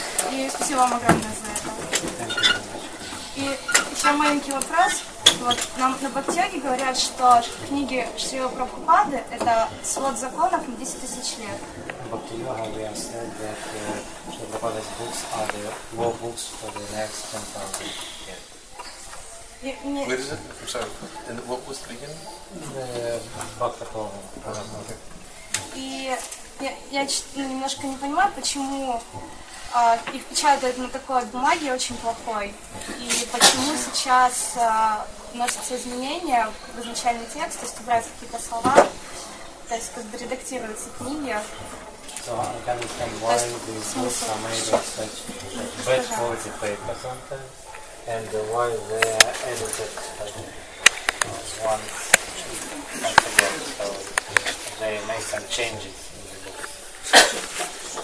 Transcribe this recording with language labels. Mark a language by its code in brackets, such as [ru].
[ru] И спасибо вам огромное за это. И еще маленький вопрос. Вот нам на Бхакти-йоге говорят, что книги Шрилы Прабхупады – это свод законов на 10 тысяч лет. [en] Bhakti-yoga, we have said that Prabhupada's books are the law books for the next 10,000 years. Where is it? I'm sorry. And what was the beginning? The Bhakti-yoga. [ru] И я немножко не понимаю, почему их печатают на такой бумаге очень плохой, и почему сейчас вносятся изменения в изначальный текст, то есть убираются какие-то слова, то есть как бы редактируются книги. [en] So I can understand why these books are made of such bad quality paper sometimes, and why they are edited once a year, so they make some changes in the books.